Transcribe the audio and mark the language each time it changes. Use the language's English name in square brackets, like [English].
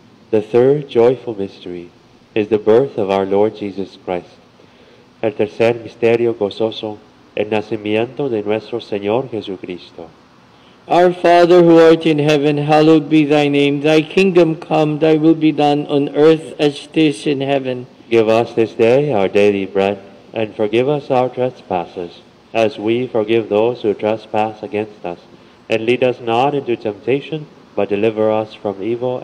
[English] The third joyful mystery is the birth of our Lord Jesus Christ. [Spanish] El tercer misterio gozoso, el nacimiento de nuestro Señor Jesucristo. [English] Our Father who art in heaven, hallowed be thy name. Thy kingdom come, thy will be done on earth as it is in heaven. Give us this day our daily bread, and forgive us our trespasses, as we forgive those who trespass against us. And lead us not into temptation, but deliver us from evil.